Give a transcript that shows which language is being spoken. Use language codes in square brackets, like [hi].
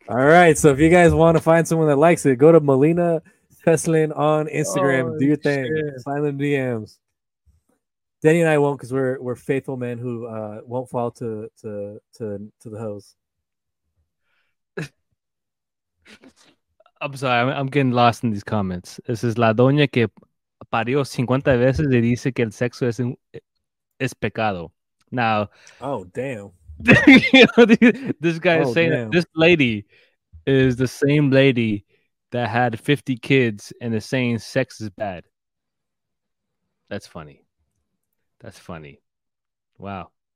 [en] All right. So if you guys want to find someone that likes it, go to Melina Teslin on Instagram. Oh, do your thing. Sign them DMs. Denny and I won't, because we're faithful men who won't fall to the hoes. I'm sorry. I'm getting lost in these comments. This is [es] La Doña que parió 50 veces y dice que el sexo es pecado. [en] Now, oh, damn. This guy is saying this lady is the same lady that had 50 kids and is saying sex is bad. That's funny. That's funny. Wow.